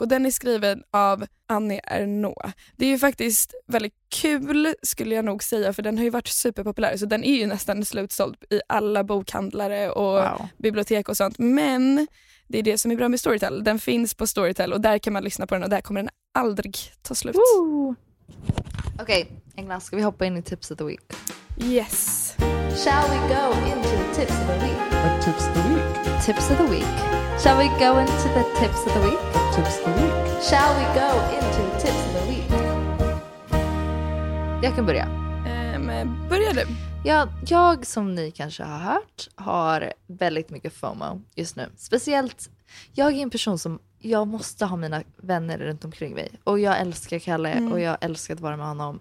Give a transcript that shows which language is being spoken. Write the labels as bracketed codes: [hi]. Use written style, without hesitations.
[sv] Och den är skriven av Annie Ernaux. Det är ju faktiskt väldigt kul skulle jag nog säga, för den har ju varit superpopulär. Så den är ju nästan slutsåld i alla bokhandlare och bibliotek och sånt. Men det är det som är bra med Storytel. Den finns på Storytel och där kan man lyssna på den, och där kommer den aldrig ta slut. Okej, Engla, ska vi hoppa in i Tips of the Week? [en] Yes. Shall we go into the Tips of the Week? What Tips of the Week? Tips of the Week. Shall we go into the Tips of the Week? What Tips of the Week? Shall we go into the Tips of the Week? [sv] Jag kan börja. Börja du. Jag som ni kanske har hört har väldigt mycket FOMO just nu. Speciellt, jag är en person som, jag måste ha mina vänner runt omkring mig. Och jag älskar Kalle och jag älskar att vara med honom.